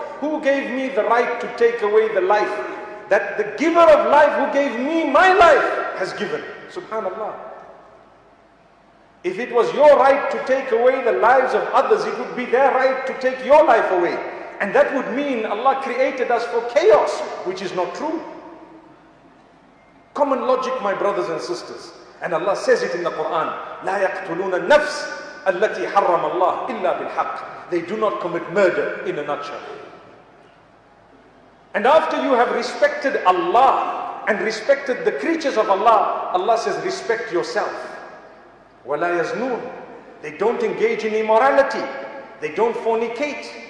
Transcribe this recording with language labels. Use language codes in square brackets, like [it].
[en] Who gave me the right to take away the life that the giver of life who gave me my life has given? Subhanallah. If it was your right to take away the lives of others, it would be their right to take your life away. And that would mean Allah created us for chaos, which is not true. Common logic, my brothers and sisters. And Allah says it in the Quran, [ar] لَا يَقْتُلُونَ النَّفْسِ أَلَّتِي حَرَّمَ اللَّهِ إِلَّا بِالْحَقِّ. [en] They do not commit murder, in a nutshell. And after you have respected Allah and respected the creatures of Allah, Allah says, respect yourself. [ar] وَلَا يَزْنُونَ. [en] They don't engage in immorality. They don't fornicate.